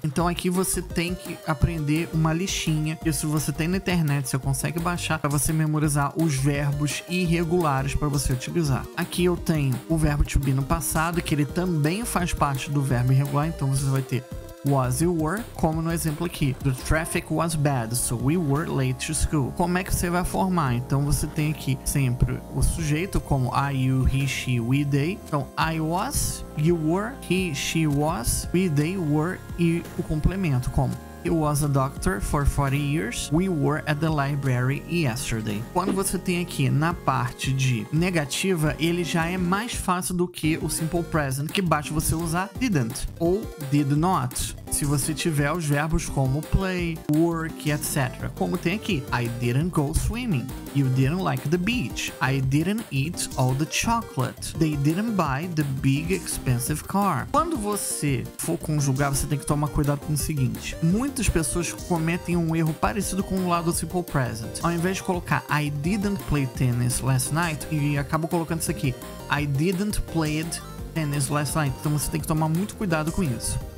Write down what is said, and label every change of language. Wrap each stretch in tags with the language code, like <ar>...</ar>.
<pt>Então, aqui você tem que aprender uma listinha. Isso você tem na internet, você consegue baixar para você memorizar os verbos irregulares para você utilizar. Aqui eu tenho o verbo to be no passado, que ele também faz parte do verbo irregular, então você vai ter was e were, como no exemplo aqui.</pt> <en>The traffic was bad, so we were late to school.</en> <pt>Como é que você vai formar? Então você tem aqui sempre o sujeito, como I, you, he, she, we, they. Então I was, you were, he, she was, we, they were, e o complemento, como</pt> <en>he was a doctor for 40 years. We were at the library yesterday.</en> <pt>Quando você tem aqui na parte de negativa, ele já é mais fácil do que o simple present, que basta você usar didn't ou did not, se você tiver os verbos como play, work, etc. Como tem aqui,</pt> <en>I didn't go swimming, you didn't like the beach, I didn't eat all the chocolate, they didn't buy the big expensive car.</en> <pt>Quando você for conjugar, você tem que tomar cuidado com o seguinte: muitas pessoas cometem um erro parecido com o lado simple present. Ao invés de colocar</pt> <en>I didn't play tennis last night,</en> <pt>e acabo colocando isso aqui,</pt> <en>I didn't play tennis last night.</en> <pt>Então você tem que tomar muito cuidado com isso.</pt>